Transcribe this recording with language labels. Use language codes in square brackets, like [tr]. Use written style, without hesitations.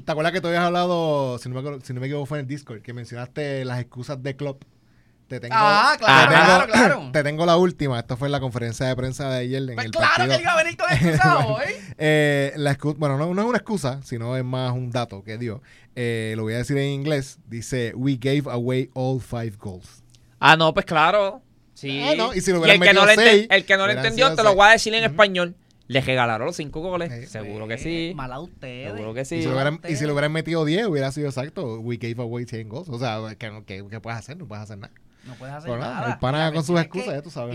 [es] ¿Te acuerdas que tú habías hablado, si no me equivoco, fue en el Discord, que mencionaste las excusas de Klopp? Claro. Te tengo la última. Esto fue en la conferencia de prensa de ayer. En pues el claro partido. Que iba a venir con excusa hoy. La excusa, bueno, no es una excusa, sino es más un dato que dio. Lo voy a decir en inglés. Dice, [en] we gave away all 5 goals. [es] Ah, no, pues claro. Sí. No. Y si lo hubieran metido 6. El que no lo entendió, te lo voy a decir en español. Le regalaron los 5 goles. Seguro que sí. Mala usted. Seguro que sí. Y si lo hubieran metido 10, hubiera sido exacto. [en] We gave away 10 goals. [es] O sea, ¿qué puedes hacer? No puedes hacer nada. No puedes hacer nada. El pana con sus excusas, tú sabes.